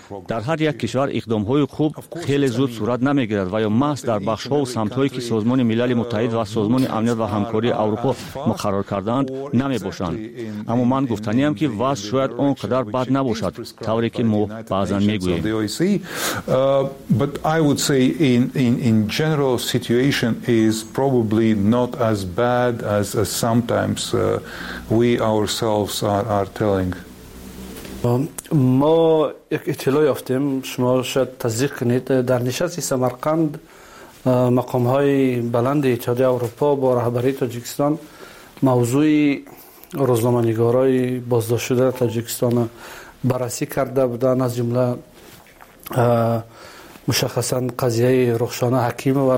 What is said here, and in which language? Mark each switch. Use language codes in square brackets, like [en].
[fa] در هر یک کشور اقدام های خوب خیلی زود صورت نمی گیرد و یا محض در بخش ها و سمت هایی که سازمان ملل متحد و سازمان امنیت و همکاری اروپا مقرر کردند نمی باشند. اما من گفتنی هم که وضع شاید آنقدر بد نباشد طوری که ما بعضا می گوییم. [en] But I would say in general situation is probably not as bad as sometimes we ourselves are telling. [fa] ما یک اطلاع یافتیم، شما شاید تصدیق کنید، در نشست سمرقند مقام های بلند اتحادیه اروپا با رهبری تاجیکستان موضوع روزنامه‌نگارای بازداشت شده تاجیکستان بررسی کرده بودند، از جمله مشخصا قضیه رخشانه حکیمه.